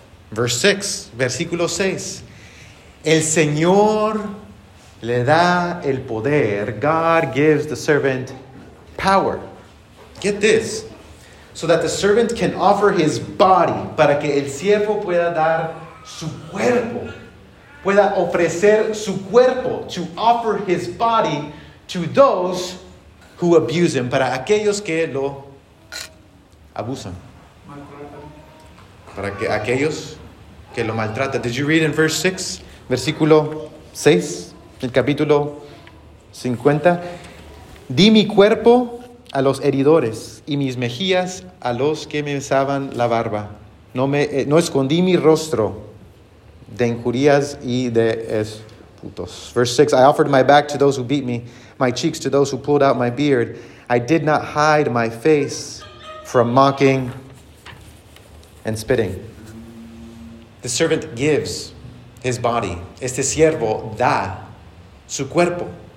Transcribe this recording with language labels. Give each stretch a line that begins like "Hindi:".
Spanish: Verse 6, versículo 6. El Señor le da el poder.
English: God gives the servant power. Get this. So that the servant can offer his body.
Spanish: Para que el siervo pueda dar su cuerpo. Pueda ofrecer su cuerpo.
English: To offer his body to those who abuse him.
Spanish: Para aquellos que lo abusan. Para que aquellos que lo maltratan.
English: Did you read in verse 6?
Spanish: Versículo 6. El capítulo 50. Di mi cuerpo a los heridores y mis mejillas a los que me besaban la barba. No escondí mi rostro de injurias y de esputos.
English: Verse 6, I offered my back to those who beat me, my cheeks to those who pulled out my beard. I did not hide my face from mocking and spitting. The servant gives his body.
Spanish: Este siervo da su cuerpo.